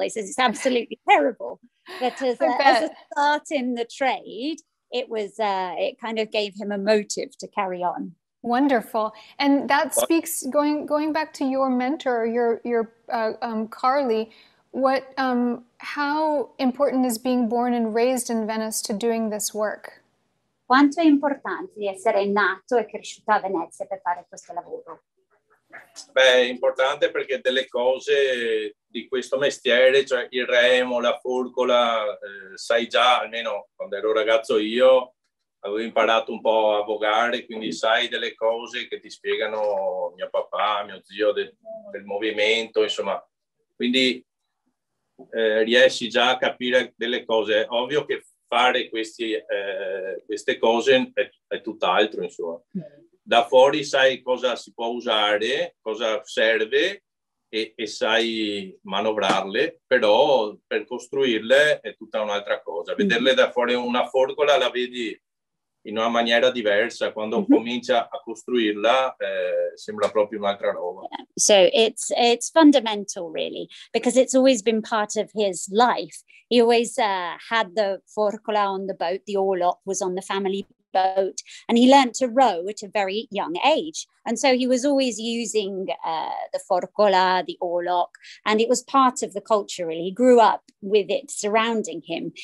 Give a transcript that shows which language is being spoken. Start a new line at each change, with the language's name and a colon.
English: He says it's absolutely terrible. But as a start in the trade, it was it kind of gave him a motive to carry on. Wonderful. And that speaks, going back to your mentor, your Carli, how important is being born and raised in Venice to doing this work?
Italian: Quanto è importante di essere nato e cresciuto a Venezia per fare questo lavoro? Beh, è importante perché delle cose di questo mestiere, cioè il remo, la forcola, sai già, almeno quando ero ragazzo io, avevo imparato un po' a vogare, quindi sai delle cose che ti spiegano mio papà, mio zio, del movimento, insomma. Quindi riesci già a capire delle cose. È ovvio che fare queste cose è tutt'altro, insomma. Da fuori sai cosa si può usare, cosa serve, e sai manovrarle, però per costruirle è tutta un'altra cosa. Vederle da fuori una forcola la vedi in una maniera diversa quando comincia a costruirla, sembra proprio un'altra roba.
English: So it's fundamental, really, because it's always been part of his life. He always had the forcola on the boat, the orlop was on the family boat, and he learned to row at a very young age, and so he was always using the forcola, the orlop, and it was part of the culture, really. He grew up with it surrounding him.